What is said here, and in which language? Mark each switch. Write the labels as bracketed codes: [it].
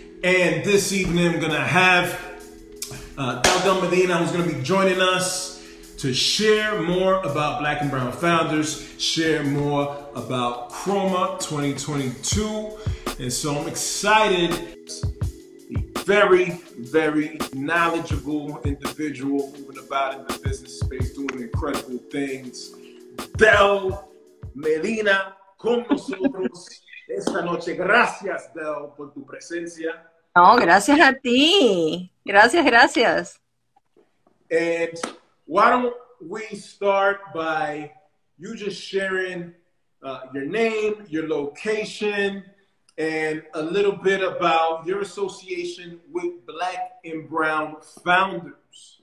[en] And this evening, I'm gonna have Delgado Medina, who's gonna be joining us to share more about Black and Brown Founders, share more about CROMA 2022. And so I'm excited. Very, very knowledgeable individual moving about in the business space, doing incredible things. [es] Del Medina, con nosotros esta noche. Gracias, Del, por tu presencia. No, gracias a ti. Gracias, gracias. [en] And why don't we start by you just sharing your name, your location, and a little bit about your association with Black and Brown Founders.